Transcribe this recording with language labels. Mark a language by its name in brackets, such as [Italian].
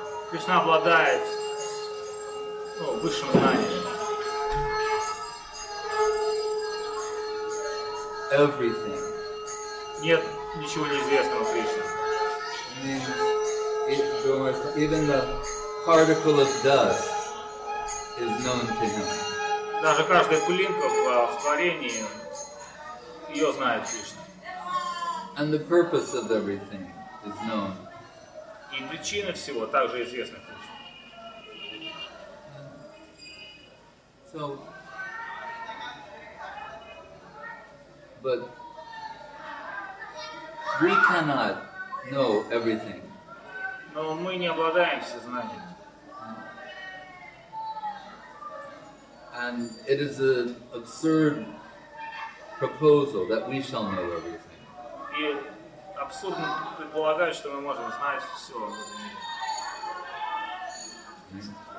[Russian] Krishna обладает высшим знанием. [English] Everything. [Russian] Нет ничего неизвестного Кришне. [English] Even the particle of dust is known to him. [Russian] Даже каждая пылинка в творении ее знает Кришна. [English] And the purpose of everything is known. [Russian] И причина всего также известна Кришне. [English] So, but we cannot know everything. [Russian] Но мы не обладаем все знанием. [English] And it is an absurd proposal that we shall know everything.